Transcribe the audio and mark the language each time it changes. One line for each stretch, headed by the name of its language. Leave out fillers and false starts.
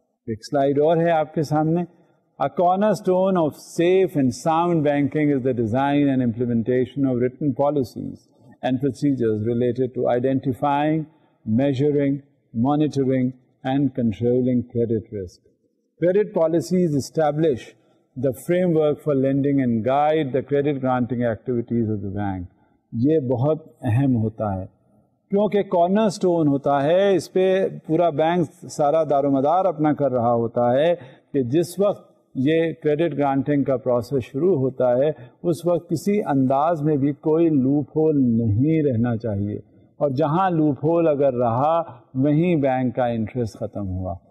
Hindi: एक स्लाइड और है आपके सामने.
English: A cornerstone of safe and sound banking is the design and implementation of written policies and procedures related to identifying, measuring, monitoring and controlling credit risk. Credit policies establish the framework for lending and guide the credit granting activities of the bank.
Hindi: ये बहुत अहम होता है, क्योंकि corner stone होता है, इस पर पूरा बैंक सारा दारोमदार अपना कर रहा होता है कि जिस वक्त ये क्रेडिट ग्रांटिंग का प्रोसेस शुरू होता है उस वक्त किसी अंदाज में भी कोई लूप होल नहीं रहना चाहिए, और जहाँ लूप होल अगर रहा वहीं बैंक का इंटरेस्ट ख़त्म हुआ.